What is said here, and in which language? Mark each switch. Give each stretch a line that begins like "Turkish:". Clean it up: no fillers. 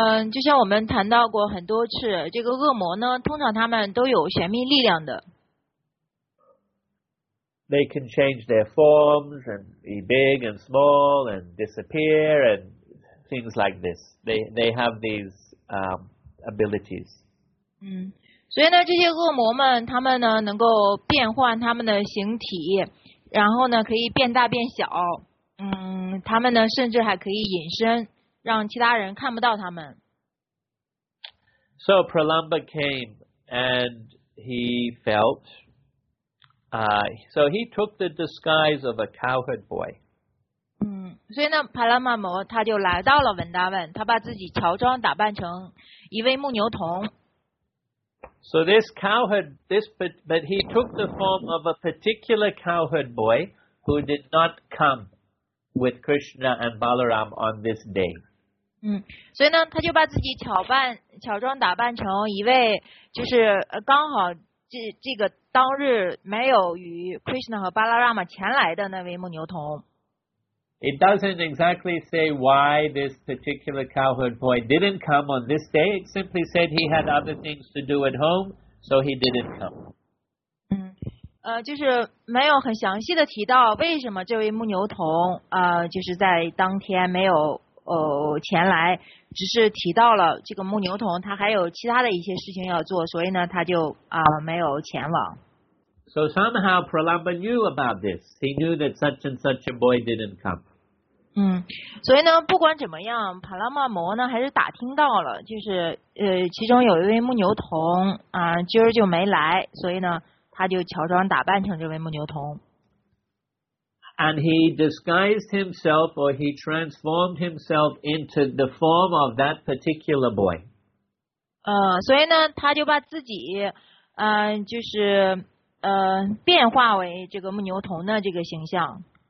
Chinese: 就像我们谈到过很多次，这个恶魔呢，通常他们都有玄秘力量的。
English: They can change their forms and be big and small and disappear and things like this. They have these abilities.
Chinese: 所以呢，这些恶魔们，他们呢能够变换他们的形体，然后呢可以变大变小，他们呢甚至还可以隐身，让其他人看不到他们。
English: So Pralamba came and he felt, so he took the disguise of a cowherd boy.
Chinese: 所以呢，帕拉玛摩他就来到了文达文，他把自己乔装打扮成一位牧牛童。
English: So this cowherd, but he took the form of a particular cowherd boy who did not come with Krishna and Balaram on this day.
Chinese: 所以呢，他就把自己乔装打扮成一位，就是刚好这个当日没有与 Krishna 和 Balaram 前来的那位牧牛童。
English: It doesn't exactly say why this particular cowherd boy didn't come on this day. It simply said he had other things to do at home, so he didn't come.
Chinese: 就是没有很详细的提到为什么这位牧牛童就是在当天没有前来，只是提到了这个牧牛童他还有其他的一些事情要做，所以呢他就没有前往。
English: So somehow Pralamba knew about this. He knew that such and such a boy didn't come.
Chinese: 所以呢，不管怎么样，帕拉玛摩呢还是打听到了，就是其中有一位牧牛童今儿就没来，所以呢，他就乔装打扮成这位牧牛童。
English: And he disguised himself, or he transformed himself into the form of that particular boy.
Chinese: 所以呢，他就把自己就是。变化为这个牧牛童的这个形象。